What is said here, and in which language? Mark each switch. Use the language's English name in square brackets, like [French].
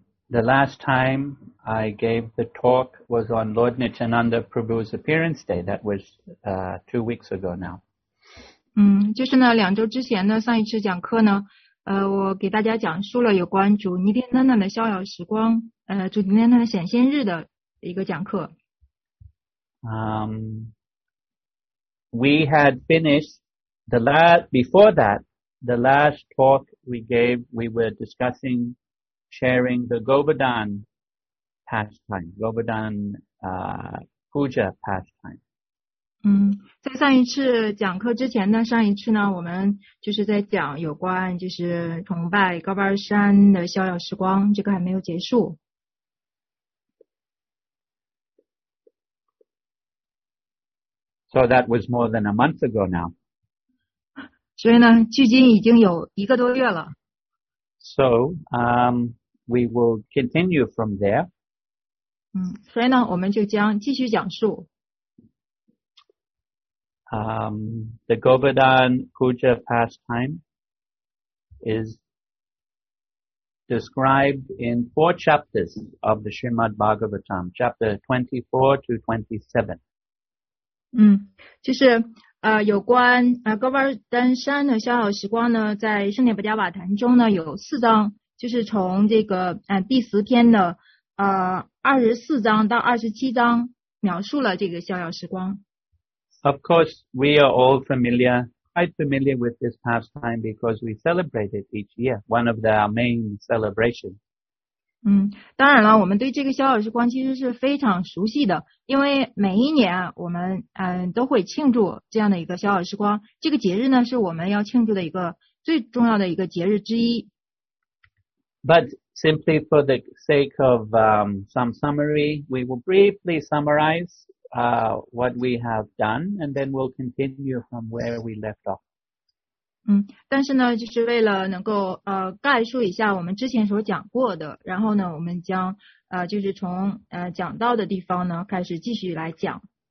[English] The last time I gave the talk was on Lord Nityananda Prabhu's appearance day. That was 2 weeks ago now. [Chinese] 就是呢，两周之前呢，上一次讲课呢，我给大家讲述了有关主尼天丹丹的逍遥时光。主尼天丹的显现日的一个讲课。 [English] We had finished the last, before that, the last talk we gave, we were discussing sharing the Govardhan pastime, Govardhan, puja pastime. [Chinese] 在上一次讲课之前呢，上一次呢，我们就是在讲有关就是崇拜高巴山的逍遥时光，这个还没有结束。 [English] So that was more than a month ago now. [Chinese] 所以呢，距今已经有一个多月了。 [English] So, we will continue from there. [Chinese] 所以呢，我们就将继续讲述。 [English] The Govardhan Puja pastime is described in 4 chapters of the Srimad Bhagavatam, chapter 24 to 27. [Chinese] 就是有关Govardhan山的逍遥时光呢，在圣典不加瓦坛中呢有四章，就是从这个第十篇的24章到27章描述了这个逍遥时光。 [English] Of course, we are all familiar, quite familiar with this pastime because we celebrate it each year, one of our main celebrations. [Chinese] 当然了，我们对这个逍遥时光其实是非常熟悉的，因为每一年我们都会庆祝这样的一个逍遥时光。这个节日呢，是我们要庆祝的一个最重要的一个节日之一。 [English] But simply for the sake of some summary, we will briefly summarize what we have done, and then we'll continue from where we left off. [Chinese] 但是呢，就是为了能够概述一下我们之前所讲过的，然后呢，我们将就是从讲到的地方呢开始继续来讲。